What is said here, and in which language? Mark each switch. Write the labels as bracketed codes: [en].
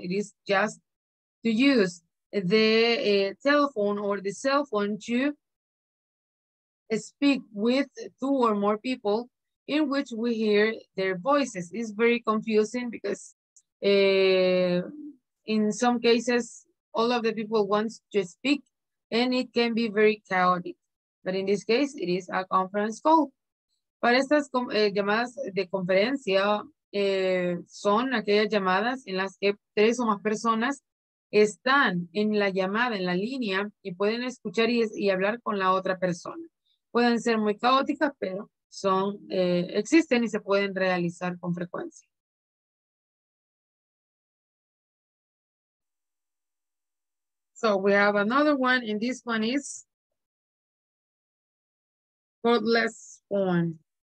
[en] It is just to use the telephone or the cell phone to speak with two or more people in which we hear their voices. It's very confusing because in some cases, all of the people want to speak and it can be very chaotic. But in this case, it is a conference call. [es] Para estas llamadas de conferencia, son aquellas llamadas en las que tres o más personas están en la llamada, en la línea, y pueden escuchar y hablar con la otra persona. Pueden ser muy caóticas, pero son existen y se pueden realizar con frecuencia. [en] So we have another one, and this one is cordless phone.